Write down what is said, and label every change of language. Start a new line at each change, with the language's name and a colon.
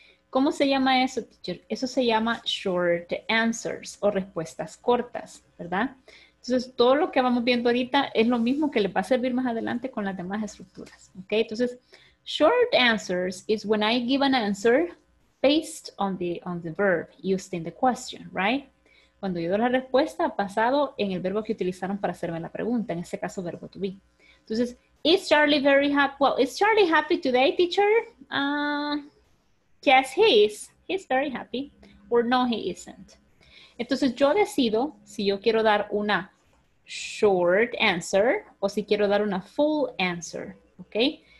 Spanish: ¿Cómo se llama eso, teacher? Eso se llama short answers o respuestas cortas, ¿verdad? Entonces, todo lo que vamos viendo ahorita es lo mismo que le va a servir más adelante con las demás estructuras. ¿Okay?
English: Entonces, short answers is when I give an answer based on the verb used in the question, right?
Spanish: Cuando yo doy la respuesta basado en el verbo que utilizaron para hacerme la pregunta, en este caso, verbo to be.
English: Entonces, is Charlie very happy? Well, is Charlie happy today, teacher? Yes, he is. He's very happy. Or no, he isn't.
Spanish: Entonces, yo decido si yo quiero dar una short answer o si quiero dar una full answer, ¿ok?